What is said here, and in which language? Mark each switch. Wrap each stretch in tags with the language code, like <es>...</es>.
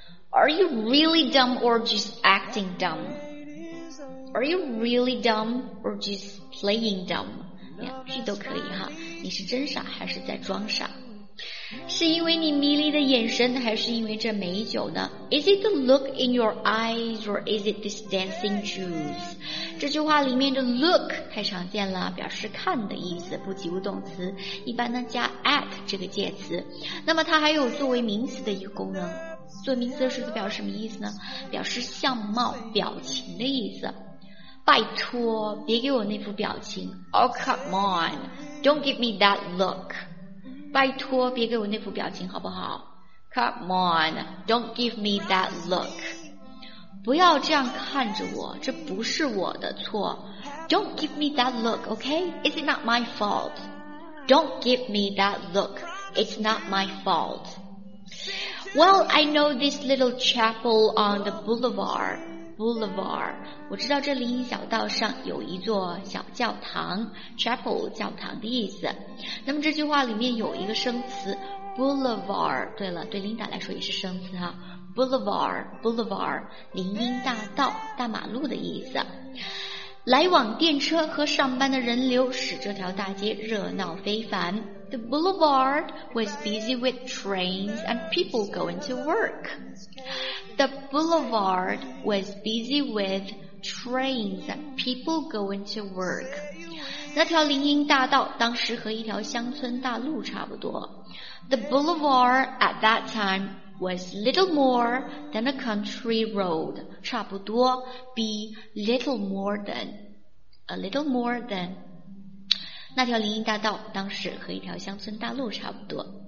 <en>Are you really dumb or just acting dumb? Are you really dumb or just playing dumb?</en> <zh>两句都可以哈，你是真傻还是在装傻？是因为你迷离的眼神，还是因为这美酒呢？</zh> <en>Is it the look in your eyes or is it this dancing juice?</en> <zh>这句话里面的 look 太常见了，表示看的意思，不及物动词，一般呢加 at 这个介词。那么它还有作为名词的一个功能，作为名词的时候表示什么意思呢？表示相貌、表情的意思。拜托，别给我那副表情。</zh> <en>Oh come on, don't give me that look.</en> <zh>拜托别给我那副表情好不好？</zh> <en>Come on, don't give me that look.</en> <zh>不要这样看着我，这不是我的错。</zh> <en>Don't give me that look, okay? It's not my fault. Don't give me that look. It's not my fault. Well, I know this little chapel on the boulevard.</en> <zh>Boulevard. 我知道这林荫小道上有一座小教堂， chapel 教堂的意思。那么这句话里面有一个生词 boulevard， 对了，对琳达来说也是生词哈， boulevard boulevard 林荫大道、大马路的意思。来往电车和上班的人流使这条大街热闹非凡。</zh> <en>The boulevard was busy with trains and people going to work. The boulevard was busy with trains and people going to work.</en> <zh>那条林荫大道当时和一条乡村大路差不多。</zh> <en>The boulevard at that timewas little more than a country road,</en> <zh>差不多</zh> <en>be little more than, a little more than,</en> <zh>那条林荫大道当时和一条乡村大路差不多。</zh>